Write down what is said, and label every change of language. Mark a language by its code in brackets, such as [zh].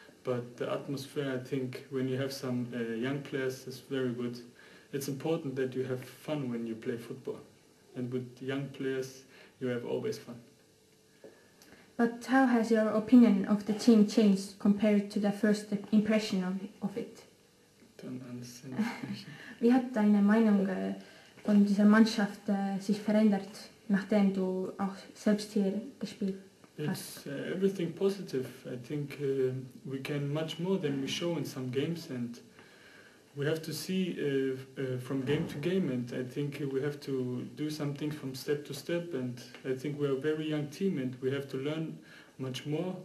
[en] But the atmosphere, I think, when you have some young players, is very good. It's important that you have fun when you play football. And with young players, you have always fun. But how has your opinion of the team changed compared to the first impression of it? Don't understand. [de] Wie hat deine Meinung von dieser Mannschaft sich verändert, nachdem du auch selbst hier gespielt hast? [en] It's everything positive. I think we can much more than we show in some games, and we have to see from game to game, and I think we have to do some things from step to step, and I think we are a very young team and we have to learn much more.